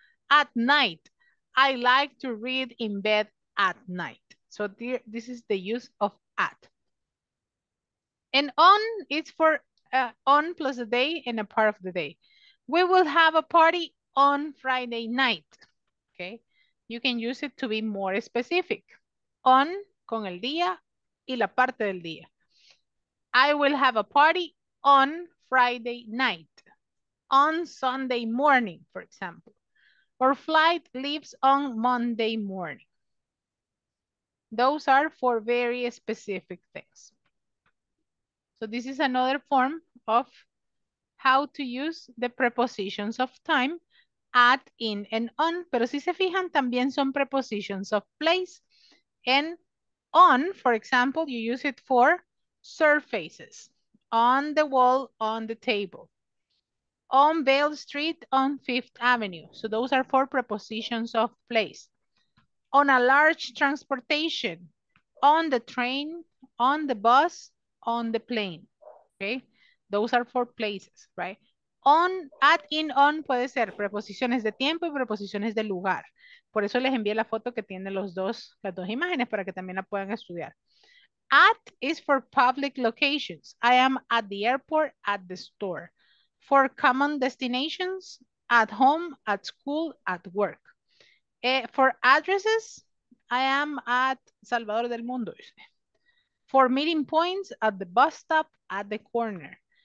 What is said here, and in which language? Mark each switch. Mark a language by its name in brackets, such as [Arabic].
[English] At night, I like to read in bed at night. So this is the use of at. And on, it's for on plus a day and a part of the day. We will have a party on Friday night. Okay. You can use it to be more specific. [Spanish] On, con el día, y la parte del día. [English] I will have a party on Friday night. On Sunday morning, for example. Or flight leaves on Monday morning. Those are for very specific things. So this is another form of how to use the prepositions of time. At, in, and on, [Spanish] pero si se fijan, también son [English] prepositions of place. And on, for example, you use it for surfaces, on the wall, on the table, on Bell Street, on Fifth Avenue. So those are four prepositions of place. On a large transportation, on the train, on the bus, on the plane, okay? Those are four places, right? [Spanish] On, at, in, on puede ser preposiciones de tiempo y preposiciones de lugar. Por eso les envié la foto que tiene las dos imágenes para que también la puedan estudiar. [English] At is for public locations. I am at the airport, at the store. For common destinations, at home, at school, at work. For addresses, I am at Salvador del Mundo. For meeting points, at the bus stop, at the corner.